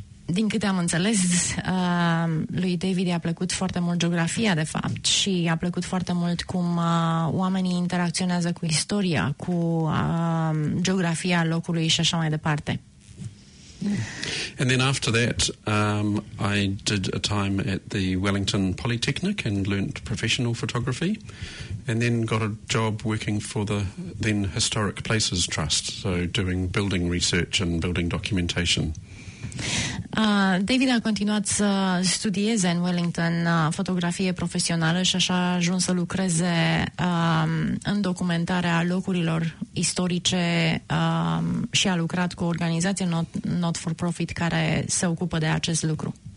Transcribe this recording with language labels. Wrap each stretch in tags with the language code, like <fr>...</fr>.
<ro>Din câte am înțeles, lui David i-a plăcut foarte mult geografia, de fapt, și i-a plăcut foarte mult cum oamenii interacționează cu istoria, cu geografia locului și așa mai departe.</ro> <en>And then after that, I did a time at the Wellington Polytechnic and learnt professional photography, and then got a job working for the then Historic Places Trust, so doing building research and building documentation.</en> <ro>David a continuat să studieze în Wellington fotografie profesională și așa a ajuns să lucreze în documentarea locurilor istorice și a lucrat cu o organizație not-for-profit care se ocupă de acest lucru.</ro>